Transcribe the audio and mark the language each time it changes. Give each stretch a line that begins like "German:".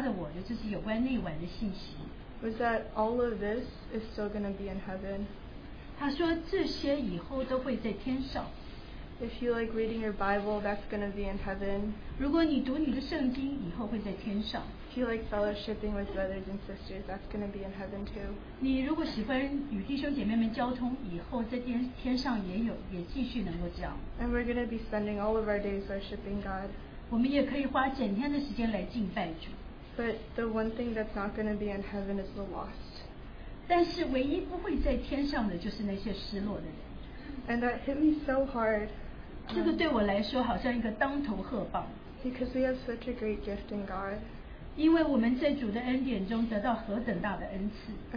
Chinese: 有一点是一直在我心中紧抓着我的，就是有关那晚的信息。
English: Was that all of this is still going to be in heaven?
Chinese: 他说这些以后都会在天上。
English: If you like reading your Bible, that's going to be in heaven.
Chinese: 如果你读你的圣经，以后会在天上。
English: If you like fellowshipping with brothers and sisters, that's going to be in heaven too.
Chinese: 你如果喜欢与弟兄姐妹们交通，以后在天上也有，也继续能够这样。
English: And we're going to be spending all of our days worshiping God.
Chinese: 我们也可以花整天的时间来敬拜主。
English: But the one thing that's not going to be in heaven is the lost.
Chinese: 但是唯一不会在天上的就是那些失落的人。
English: And that hit me so hard.
Chinese: 这个对我来说好像一个当头喝棒。
English: Because we have such a great gift in God.
Chinese: 因为我们在主的恩典中得到何等大的恩赐。